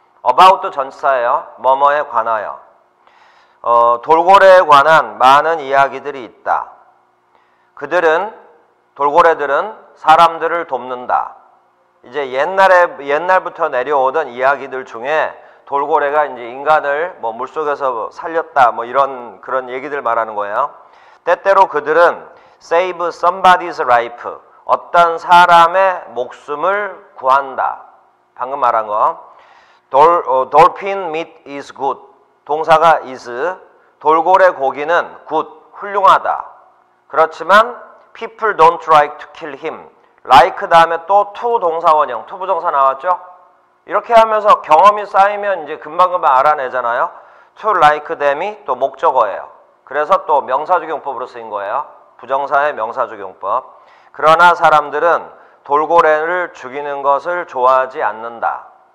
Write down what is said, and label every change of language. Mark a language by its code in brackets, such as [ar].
[ko] about도 전치사예요. 뭐뭐에 관하여. 돌고래에 관한 많은 이야기들이 있다. 그들은, 돌고래들은 사람들을 돕는다. 이제 옛날부터 내려오던 이야기들 중에 돌고래가 이제 인간을 뭐 물속에서 살렸다. 뭐 이런 그런 얘기들 말하는 거예요. 때때로 그들은 [en] save somebody's life. [ko] 어떤 사람의 목숨을 구한다. 방금 말한 거. [en] Dolphin meat is good. [ko] 동사가 is. 돌고래 고기는 good. 훌륭하다. 그렇지만 [en] people don't like to kill him. [ko] like 다음에 또 to 동사원형. to 부정사 나왔죠? 이렇게 하면서 경험이 쌓이면 이제 금방금방 알아내잖아요. to like them이 또 목적어예요. 그래서 또 명사적용법으로 쓰인 거예요. 부정사의 명사적용법. 그러나 사람들은 돌고래를 죽이는 것을 좋아하지 않는다.